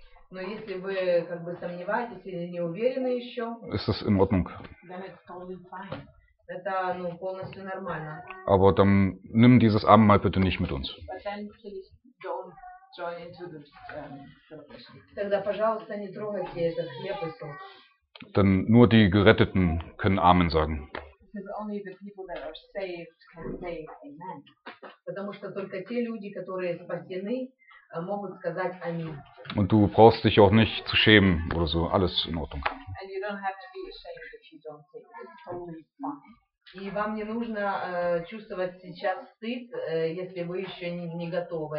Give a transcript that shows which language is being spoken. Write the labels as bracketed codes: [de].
[ru] Но если вы как бы сомневаетесь или не уверены еще. [de] Ist das in Ordnung? [en] Then it's totally fine. [ru] Это, ну, полностью нормально. [de] Aber dann nimm dieses Abendmahl bitte nicht mit uns. [en] But then please don't join into the celebration. [ru] Тогда, пожалуйста, не трогайте этот хлеб и сок. [de] Denn nur die Geretteten können Amen sagen. [en] Because only the people that are saved can say amen. [ru] Потому что только те люди, которые спасены, могут сказать аминь. [de] Und du brauchst dich auch nicht zu schämen oder so, alles in Ordnung. [en] And you don't have to be ashamed if you don't say it. It's totally fine. [ru] И вам не нужно чувствовать сейчас стыд, если вы еще не готовы.